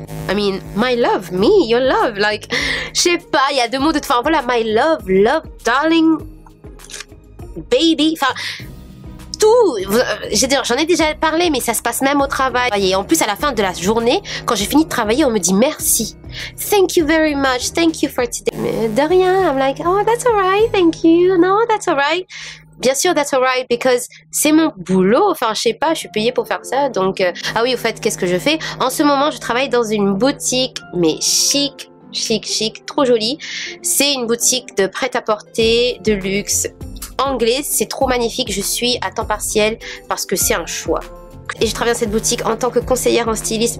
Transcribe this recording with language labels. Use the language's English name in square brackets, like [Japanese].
[English] I mean, my love, me, your love, like, [French] je sais pas, il y a deux mots de... Enfin, voilà, [English] my love, love, darling, baby, [French] enfin, tout, j'en ai déjà parlé, mais ça se passe même au travail. Et en plus, à la fin de la journée, quand j'ai fini de travailler, on me dit merci. [English] Thank you very much, thank you for today. [French] De rien, [English] I'm like, oh, that's alright, thank you, no, that's alright. [French] Bien sûr, [English] that's alright, because [French] c'est mon boulot. Enfin, je sais pas, je suis payée pour faire ça. Donc, ah oui, au fait, qu'est-ce que je fais? En ce moment, je travaille dans une boutique, mais chic, chic, chic, trop jolie. C'est une boutique de prêt-à-porter, de luxe, anglais. C'est trop magnifique. Je suis à temps partiel parce que c'est un choix. Et je travaille dans cette boutique en tant que conseillère en stylisme.